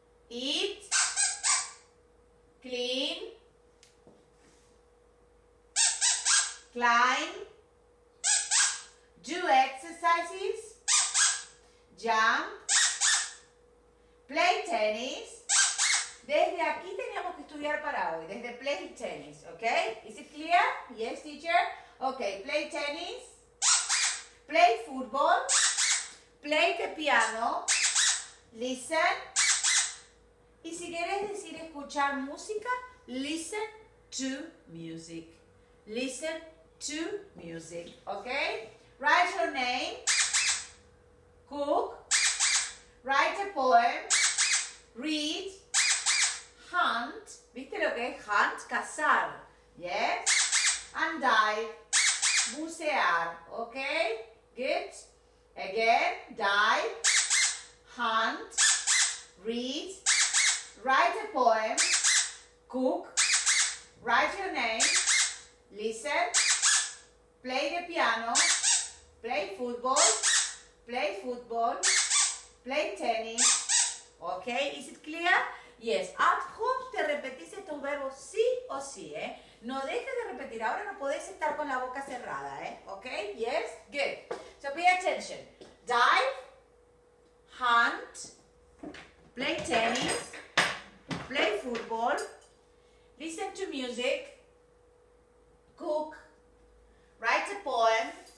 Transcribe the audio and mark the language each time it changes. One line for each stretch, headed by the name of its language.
English: eat, clean, climb, do exercises, jump, play tennis.
Spanish: Desde aquí teníamos que estudiar para hoy, desde
English: play tennis,
Spanish: ¿ok?
English: Is it clear? Yes, teacher. Ok, play tennis, play football, play the piano, listen.
Spanish: Y si quieres decir escuchar música,
English: listen to music. Listen to music, ¿ok? Write your name, cook, write a poem, read, hunt,
Spanish: ¿viste lo que es
English: hunt? Cazar, yes, and dive, bucear, okay, good, again, dive, hunt, read, write a poem, cook, write your name, listen, play the piano, play football, play tennis, ok, is it clear? Yes, at home
Spanish: te repetís estos verbos sí o sí, ¿eh? No dejes de repetir, ahora no podés estar con la boca cerrada, ¿eh?
English: Ok, yes, good. So pay attention, dive, hunt, play tennis, play football, listen to music, cook, write a poem.